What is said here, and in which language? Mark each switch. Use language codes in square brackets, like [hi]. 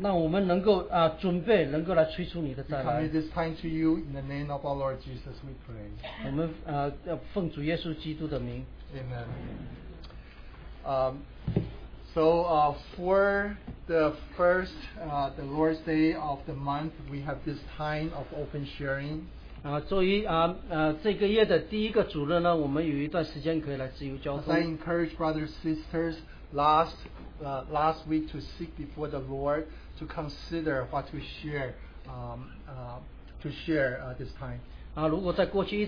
[zh] 让我们能够准备，能够来催促你的再来。 [en] We commit this time to you in the name of our Lord Jesus, we pray. [zh] 我们奉主耶稣基督的名。 [en] Amen. For the first, the Lord's Day of the month, we have this time of open sharing. [zh] 这个月的第一个主日呢，我们有一段时间可以来自由交通。 [en] As I encourage brothers and sisters, last week to seek before the Lord to consider what to share this time.